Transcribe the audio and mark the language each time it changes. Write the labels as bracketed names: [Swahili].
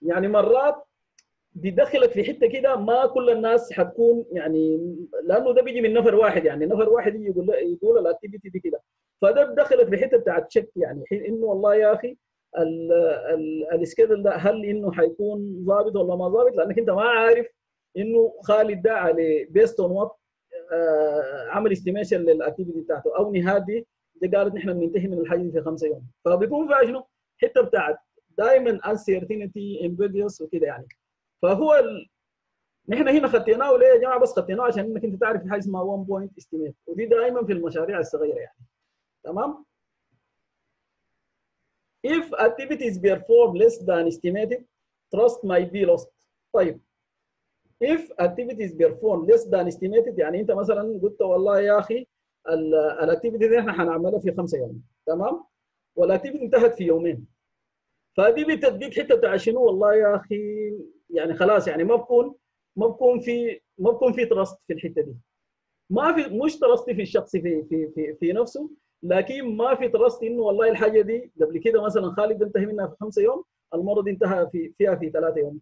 [Arabic] يعني مرات بيدخلك في حته كده ما كل الناس حتكون يعني لانه ده بيجي من نفر واحد يعني نفر واحد يقول الاكتيفيتي دي كده فده بيدخلك في حته بتاعت شك يعني انه والله يا اخي السكيدل ده هل انه حيكون ظابط ولا ما ظابط لانك انت ما عارف انه خالد ده على بيست اون وات عمل استيميشن للاكتيفيتي بتاعته او نهادي دي قالت نحن بننتهي من الحاجه في خمسه يوم. فبيكون فيها شنو؟ حته بتاعت دائما انسيرتينتي امبيديوس وكده يعني. فهو نحن هنا خطيناه ليه يا جماعه؟ بس خطيناه عشان انك انت تعرف حاجه اسمها 1 بوينت استيميت ودي دائما في المشاريع الصغيره يعني تمام. [English] If activities perform less than estimated, trust might be lost. [Arabic] طيب If activities perform less than estimated يعني انت مثلا قلت والله يا اخي الاكتيفيتي دي احنا هنعملها في خمسه يوم تمام والاكتيفيتي انتهت في يومين فدي بتديك حته بتاع شنو والله يا اخي يعني خلاص يعني ما بكون في تراست في الحته دي ما في مش تراست في الشخص في في في في نفسه لكن ما في تراست انه والله الحاجه دي قبل كده مثلا خالد انتهى منها في خمسه يوم المره دي انتهى فيها في ثلاثه يوم.